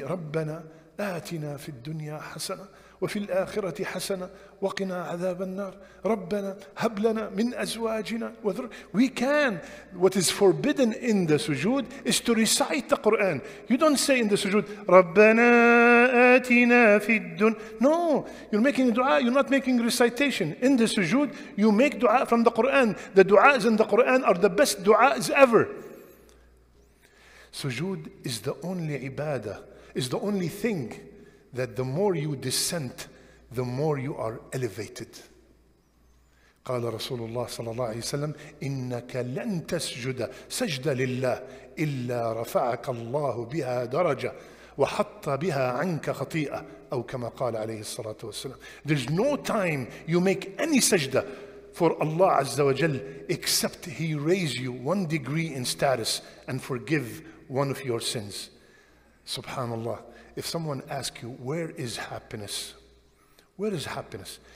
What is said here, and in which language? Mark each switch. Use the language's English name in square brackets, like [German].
[Arabic] Rabbana atina fi dunya hasana وفي الآخرة حسنة وقنا عذاب النار ربنا هب لنا من أزواجنا. [English] We can. What is forbidden in the sujood is to recite the Quran. You don't say in the sujood [Arabic] ربنا آتنا في الدنيا. [English] No, you're making a dua, you're not making recitation. In the sujood you make dua from the Quran. The duas in the Quran are the best duas ever. Sujood is the only ibadah, is the only thing that the more you descend, the more you are elevated. [Arabic] قال رسول الله صلى الله عليه وسلم إنك لن تسجد سجد لله إلا رفعك الله بها درجة وحط بها عنك خطيئة أو كما قال عليه الصلاة والسلام. [English] There's no time you make any sajda for Allah Azza wa Jal except He raise you one degree in status and forgive one of your sins. Subhanallah. If someone asks you, where is happiness? Where is happiness?